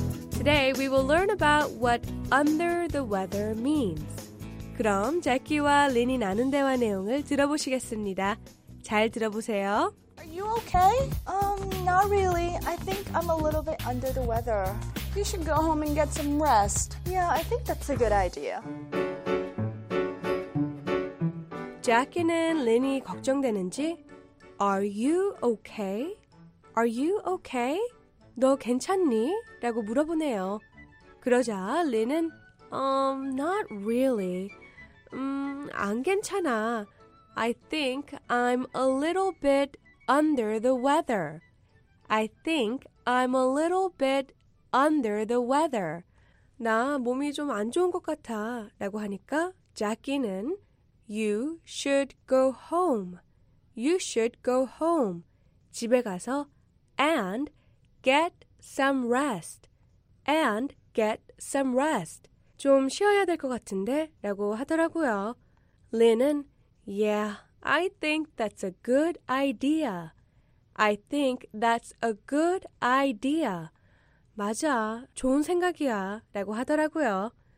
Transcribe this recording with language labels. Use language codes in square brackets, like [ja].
[en] Today we will learn about what under the weather means. [ko] 그럼 제키와 린이 나눈 대화 내용을 들어보시겠습니다. 잘 들어보세요. [en] Are you Are you okay? Not really. I think I'm a little bit under the weather. You should go home and get some rest. Yeah, I think that's a good idea. [ko] 자키는 린이 걱정되는지 [en] Are you okay? Are you okay? [ko] 너 괜찮니? 라고 물어보네요. 그러자 린은 [en] not really. [ko] 안 괜찮아. [en] I think I'm a little bit under the weather. I think I'm a little bit under the weather. [ko] 나 몸이 좀 안 좋은 것 같아 라고 하니까 자키는 [en] You should go home. You should go home. [ko] 집에 가서 [en] and get some rest. And get some rest. [ko] 좀 쉬어야 될 것 같은데 라고 하더라고요. Lynn은 [en] Yeah, I think that's a good idea. I think that's a good idea. [ko] 맞아, 좋은 생각이야 라고 하더라고요.